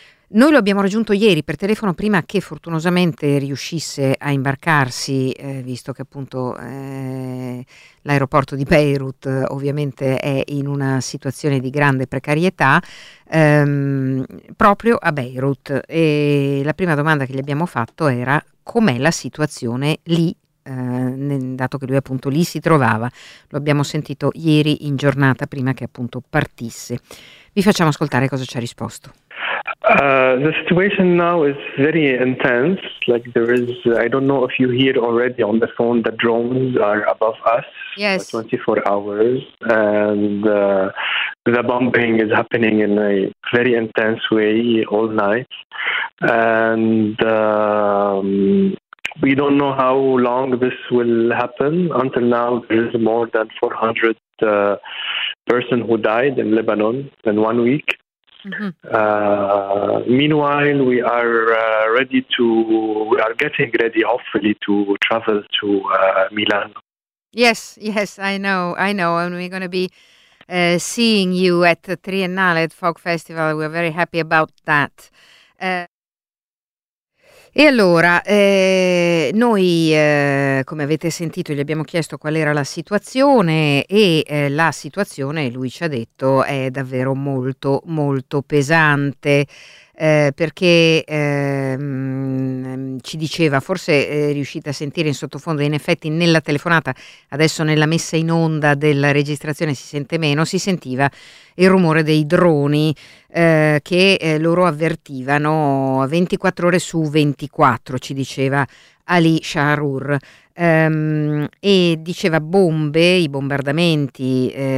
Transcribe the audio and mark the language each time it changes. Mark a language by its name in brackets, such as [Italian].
[Italian] Noi lo abbiamo raggiunto ieri per telefono prima che fortunosamente riuscisse a imbarcarsi, visto che appunto l'aeroporto di Beirut ovviamente è in una situazione di grande precarietà, proprio a Beirut. E la prima domanda che gli abbiamo fatto era: com'è la situazione lì, dato che lui appunto lì si trovava? Lo abbiamo sentito ieri in giornata prima che appunto partisse. Vi facciamo ascoltare cosa ci ha risposto. [English] The situation now is very intense. Like there is, I don't know if you hear already on the phone, the drones are above us. Yes. For 24 hours, and the bombing is happening in a very intense way all night, and we don't know how long this will happen. Until now, there is more than 400 person who died in Lebanon in 1 week. Mm-hmm. Meanwhile, we are getting ready, hopefully, to travel to Milan. Yes, I know, and we're going to be seeing you at the Triennale at Folk Festival. We're very happy about that. [Italian] E allora, come avete sentito, gli abbiamo chiesto qual era la situazione e la situazione, lui ci ha detto, è davvero molto molto pesante, perché ci diceva, forse riuscite a sentire in sottofondo, in effetti nella telefonata, adesso nella messa in onda della registrazione si sente meno, si sentiva il rumore dei droni che loro avvertivano 24 ore su 24, ci diceva Ali Shaharour, e diceva bombe, i bombardamenti